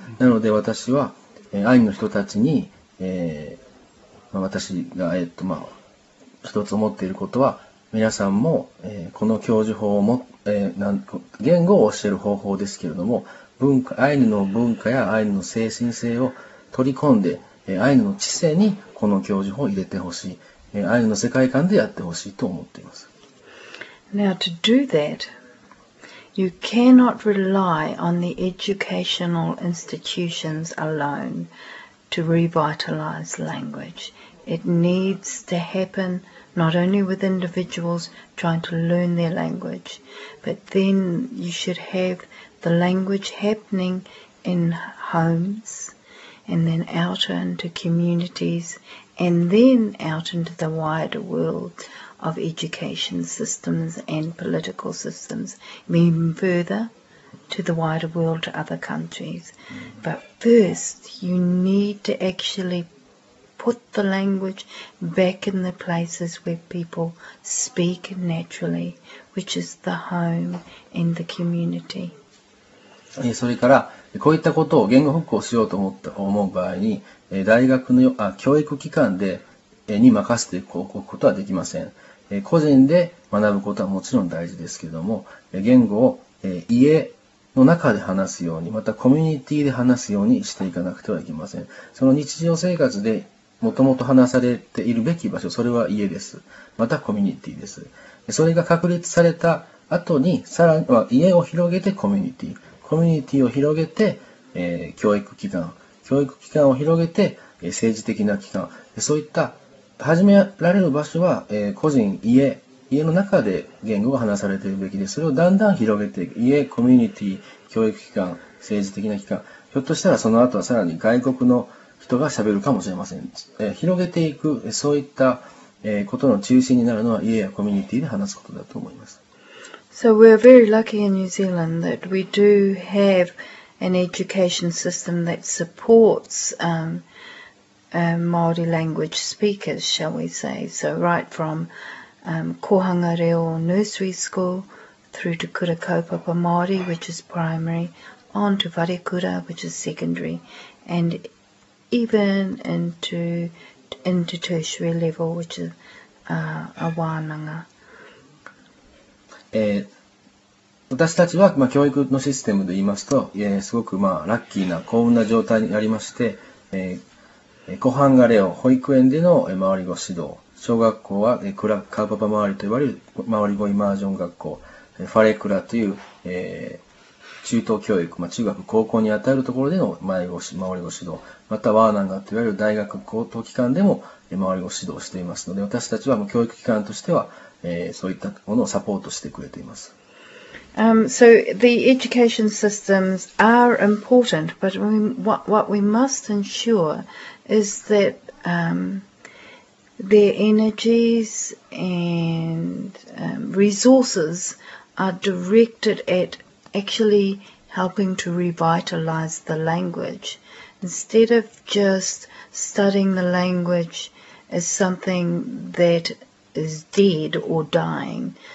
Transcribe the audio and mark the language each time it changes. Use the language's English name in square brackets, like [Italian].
[Japanese] なので私は、アイヌの人たちに、私が、まあ、一つ思っていることは、皆さんも、この教授法をも、言語を教える方法ですけれども、文化、アイヌの文化やアイヌの精神性を取り込んで、アイヌの知性にこの教授法を入れてほしい、アイヌの世界観でやってほしいと思っています。 [English] Now, to do that, you cannot rely on the educational institutions alone to revitalize language. It needs to happen not only with individuals trying to learn their language, but then you should have the language happening in homes. And then out into communities, and then out into the wider world of education systems and political systems, even further to the wider world, to other countries. Mm-hmm. But first, you need to actually put the language back in the places where people speak naturally, which is the home and the community. [Japanese] それから、こういったことを言語復興しようと思った思う場合に、大学の教育機関でに任せておくことはできません。個人で学ぶことはもちろん大事ですけれども、言語を家の中で話すように、またコミュニティで話すようにしていかなくてはいけません。その日常生活でもともと話されているべき場所、それは家です。またコミュニティです。それが確立された後に、さらには家を広げてコミュニティ。コミュニティを広げて、教育機関、教育機関を広げて、政治的な機関、そういった始められる場所は、個人、家、家の中で言語が話されているべきで、それをだんだん広げていく。家、コミュニティ、教育機関、政治的な機関、ひょっとしたらその後はさらに外国の人が喋るかもしれません。広げていく、そういったことの中心になるのは家やコミュニティで話すことだと思います。 [English] So we're very lucky in New Zealand that we do have an education system that supports Māori language speakers, shall we say. So right from Kohanga Reo Nursery School through to Kura Kaupapa Māori, which is primary, on to Varekura, which is secondary, and even into tertiary level, which is a wānanga. [Japanese] 私たちは、まあ、教育のシステムで言いますと、すごく、まあ、ラッキーな幸運な状態にありまして、コハンガレオ保育園での、周り語指導、小学校は、クラカーパパ周りと呼ばれる周り語イマージョン学校、ファレクラという、中等教育、まあ、中学高校にあたるところでの周り語指導、またワーナンガといわれる大学高等機関でも、周り語指導していますので、私たちは、まあ、教育機関としては、そういったものをサポートしてくれています。 [English] So the education systems are important, but what we must ensure is that their energies and resources are directed at actually helping to revitalize the language, instead of just studying the language as something that is dead or dying.